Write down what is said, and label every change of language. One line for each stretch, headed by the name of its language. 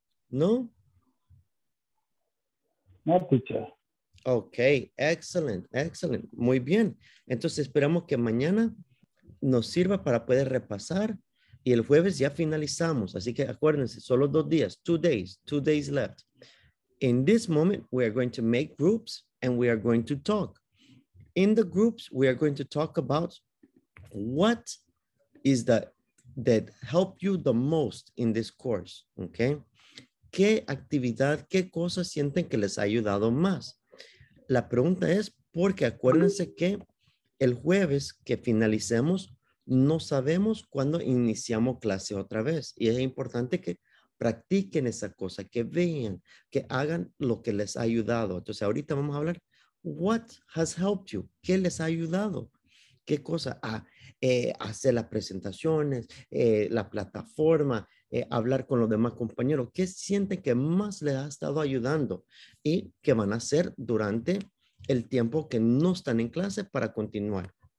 English: No? No, teacher.
Spanish: Ok, excelente. Muy bien. Entonces esperamos que mañana nos sirva para poder repasar y el jueves ya finalizamos. Así que acuérdense, solo dos días,
English: two days left. In this moment, we are going to make groups and we are going to talk. In the groups, we are going to talk about what is that help you the most in this course.
Spanish: Ok, ¿qué actividad, qué cosas sienten que les ha ayudado más? La pregunta es porque acuérdense que el jueves que finalicemos, no sabemos cuándo iniciamos clase otra vez. Y es importante que practiquen esa cosa, que vean, que hagan lo que les ha ayudado. Entonces, ahorita vamos a hablar,
English: what has helped you?
Spanish: ¿Qué les ha ayudado? ¿Qué cosa? Hacer las presentaciones, la plataforma, hablar con los demás compañeros. ¿Qué sienten que más les ha estado ayudando? ¿Y qué van a hacer durante el tiempo que no están en clase para continuar?